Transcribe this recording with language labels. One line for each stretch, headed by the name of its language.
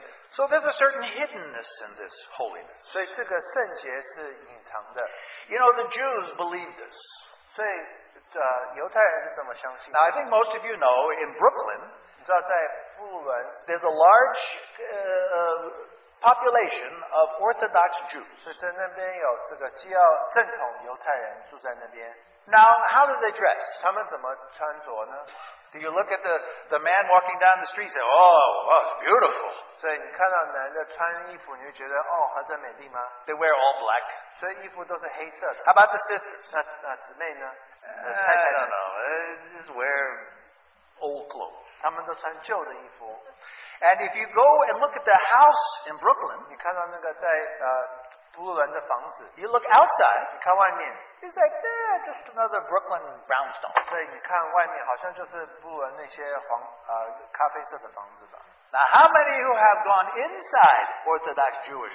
English: So there's a certain hiddenness in this holiness.
Chinese: 所以这个圣洁是隐藏的。
English: You know, the Jews believed this.
Chinese: 所以犹太人是怎么相信的?
English: Now I think most of you know, in Brooklyn,
Chinese: 你知道在布鲁文,
English: there's a large population of Orthodox Jews.
Chinese: 所以在那边有这个基要正统犹太人住在那边。
English: Now, how do they dress?
Chinese: 他们怎么穿着呢?
English: Do you look at the man walking down the street and say, oh, wow, beautiful.
Chinese: 所以你看到男的穿衣服, 你就觉得, 哦, 还在美丽吗?
English: They wear all black.
Chinese: 所以衣服都是黑色的。
English: How about the sisters?
Chinese: 那姊妹呢?
English: I don't know. They just wear old clothes.
Chinese: 他们都穿旧的衣服。
English: And if you go and look at the house in Brooklyn,
Chinese: 你看到那个在, 布鲁兰的房子,
English: you look outside,
Chinese: 你看外面,
English: it's like, eh, just another Brooklyn brownstone.
Chinese: 对, 你看外面好像就是布鲁兰那些黄, 咖啡色的房子吧。
English: Now, how many of you have gone inside Orthodox Jewish